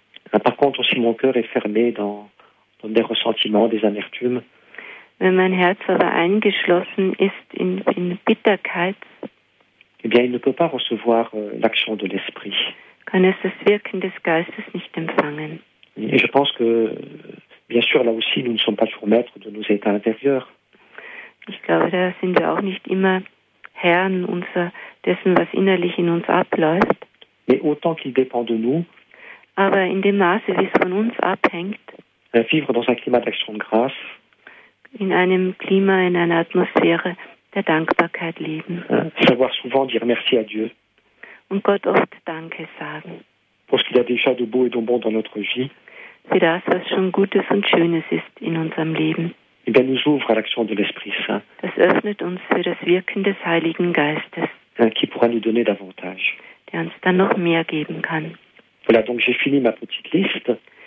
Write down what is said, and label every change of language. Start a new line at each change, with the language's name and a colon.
French: Par contre, si mon cœur est fermé dans des ressentiments, des amertumes,
German: wenn mein Herz aber eingeschlossen ist in Bitterkeit,
French: eh bien, il ne peut pas recevoir l'action de l'Esprit.
German: Kann es das Wirken des Geistes nicht empfangen.
French: Et je pense que, bien sûr, là aussi, nous ne sommes pas toujours maîtres de nos états intérieurs.
German: Ich glaube, da sind wir auch nicht immer Herren dessen, was innerlich in uns abläuft.
French: Mais autant qu'il dépend de nous,
German: aber in dem Maße, wie es von uns abhängt,
French: vivre dans un climat d'action de grâce,
German: in einem Klima, in einer Atmosphäre der Dankbarkeit leben.
French: Savoir souvent dire merci à Dieu.
German: Und Gott oft Danke sagen.
French: Pour ce qu'il y a déjà de beau et de bon dans notre vie.
German: Für das, was schon Gutes und Schönes ist in unserem Leben.
French: Et bien nous ouvre à l'action de l'Esprit Saint.
German: Das öffnet uns für das Wirken des Heiligen Geistes.
French: Qui pourra nous donner davantage.
German: Der uns dann noch mehr geben kann.
French: Voilà, donc j'ai fini ma petite liste.